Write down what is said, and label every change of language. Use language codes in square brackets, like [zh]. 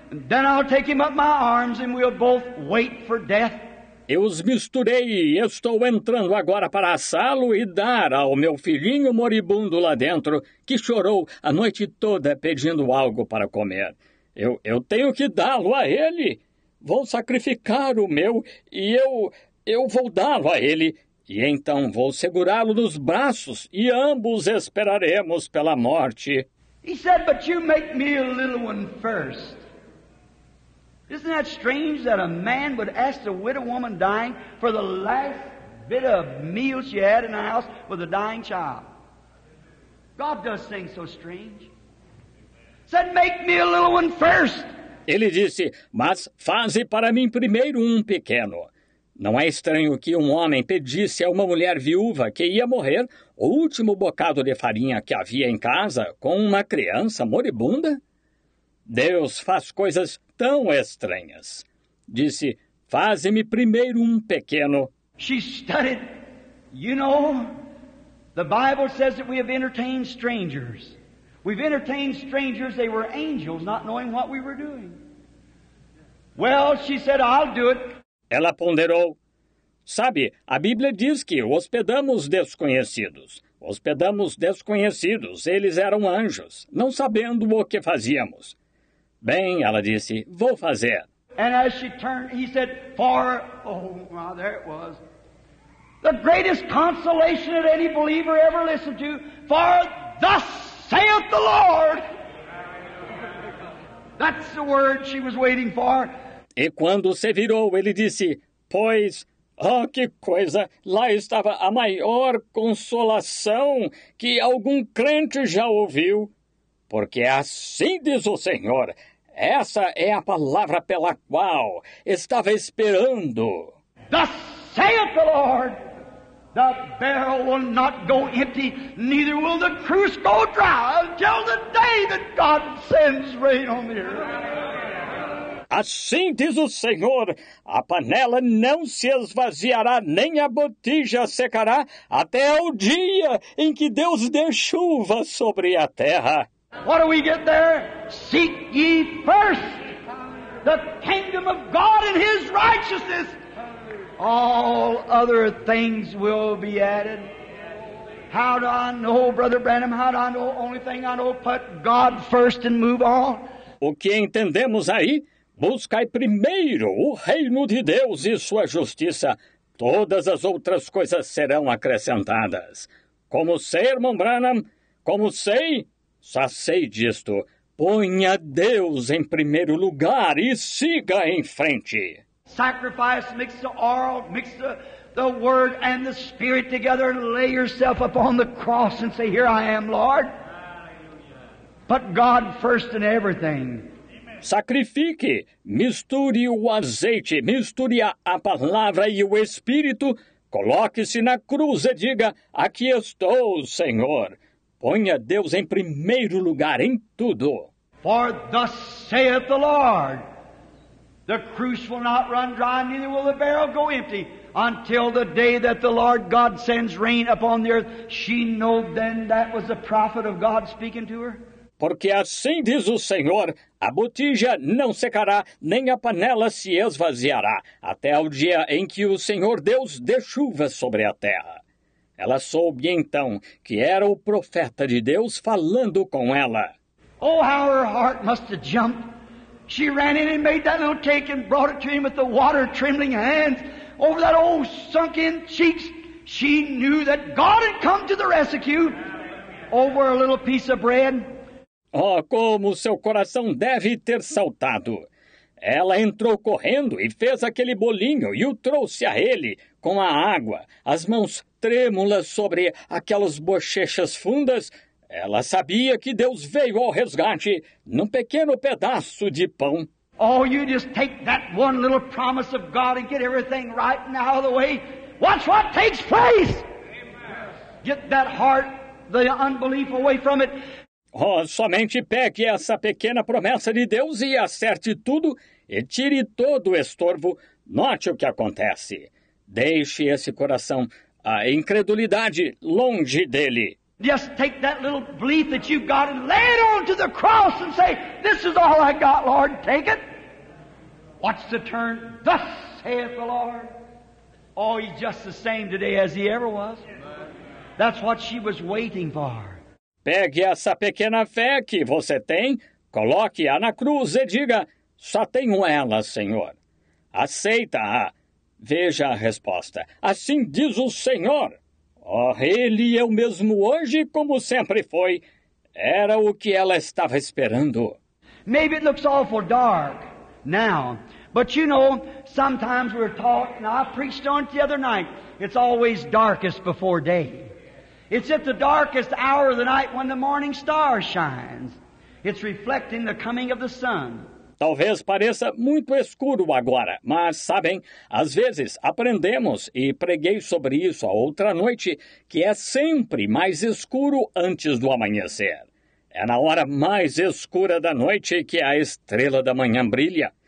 [en] And then I'll take him up my arms and we'll both wait for death. [pt] Eu os misturei e estou entrando agora para assá-lo e dar ao meu filhinho moribundo lá dentro, que chorou a noite toda pedindo algo para comer. Eu tenho que dá-lo a ele. Vou sacrificar o meu e eu vou dá-lo a ele. E então vou segurá-lo nos braços e ambos esperaremos pela morte. [en] He said, but you make me a little one first. Isn't that strange that a man would ask a widow woman dying for the last bit of meal she had in the house with a dying child? God does things so strange. He said, make me a little one first. [pt] Ele disse, mas faze para mim primeiro um pequeno. Não é estranho que um homem pedisse a uma mulher viúva que ia morrer o último bocado de farinha que havia em casa com uma criança moribunda? Deus faz coisas tão estranhas. Disse, faze-me primeiro um pequeno. [en] She studied. You know, the Bible says that we have entertained strangers. We've entertained strangers, they were angels, not knowing what we were doing. Well, she said, I'll do it. [pt] Ela ponderou, sabe, a Bíblia diz que hospedamos desconhecidos. Hospedamos desconhecidos, eles eram anjos, não sabendo o que fazíamos. Bem, ela disse, vou fazer. [en] And as she turned, he said, for, oh, well, there it was. The greatest consolation that any believer ever listened to, for thus saith the Lord. That's the word she was waiting for. [pt] E quando se virou, ele disse, pois, oh, que coisa, lá estava a maior consolação que algum crente já ouviu. Porque assim diz o Senhor, essa é a palavra pela qual estava esperando. [en] Thus saith the Lord, the barrel will not go empty, neither will the cruse go dry until the day that God sends rain on the earth. [pt] Assim diz o Senhor, a panela não se esvaziará, nem a botija secará, até o dia em que Deus dê chuva sobre a terra. [en] What do we get there? Seek ye first the kingdom of God and his righteousness. All other things will be added. How do I know, Brother Branham? How do I know? Only thing I know, put God first and move on. [pt] O que entendemos aí? Buscai primeiro o reino de Deus e sua justiça. Todas as outras coisas serão acrescentadas. Como sei, irmão Branham, como sei, só sei disto. Ponha Deus em primeiro lugar e siga em frente. [en] Sacrifice, mix the oil, mix the word and the spirit together and lay yourself upon the cross and say, here I am, Lord. Put God first in everything. [pt] Sacrifique, misture o azeite, misture a palavra e o Espírito, coloque-se na cruz e diga, aqui estou, Senhor. Ponha Deus em primeiro lugar em tudo. [en] For thus saith the Lord, the cruse will not run dry, neither will the barrel go empty, until the day that the Lord God sends rain upon the earth. She knew then that was the prophet of God speaking to her. [pt] Porque assim diz o Senhor, a botija não secará, nem a panela se esvaziará, até o dia em que o Senhor Deus dê chuva sobre a terra. Ela soube então que era o profeta de Deus falando com ela. [en] Oh, how her heart must have jumped. She ran in and made that little cake and brought it to him with the water trembling hands over that old sunken cheeks. She knew that God had come to the rescue over a little piece of bread. [pt] Oh, como seu coração deve ter saltado. Ela entrou correndo e fez aquele bolinho e o trouxe a ele com a água, as mãos trêmulas sobre aquelas bochechas fundas. Ela sabia que Deus veio ao resgate num pequeno pedaço de pão. [en] Oh, you just take that one little promise of God and get everything right now out of the way. Watch what takes place. Get that heart, the unbelief away from it. [pt] Oh, somente pegue essa pequena promessa de Deus e acerte tudo e tire todo o estorvo. Note o que acontece. Deixe esse coração, a incredulidade, longe dele. [en] Just take that little belief that you've got and lay it onto the cross and say, this is all I got, Lord, take it. Watch the turn. Thus saith the Lord. Oh, he's just the same today as he ever was. That's what she was waiting for. [pt] Pegue essa pequena fé que você tem, coloque-a na cruz e diga, só tenho ela, Senhor. Aceita-a. Veja a resposta. Assim diz o Senhor. Oh, ele é o mesmo hoje como sempre foi. Era o que ela estava esperando. [en] Maybe it looks awful dark now, but you know, sometimes we're taught, and I preached on it the other night, it's always darkest before day. It's at the darkest hour of the night when the morning star shines. It's reflecting the coming of the sun. [pt] talvez pareça muito escuro agora, mas, sabem, às vezes aprendemos, e preguei sobre isso a outra noite, que é sempre mais escuro antes do amanhecer. É na hora mais escura da noite que a estrela da manhã brilha.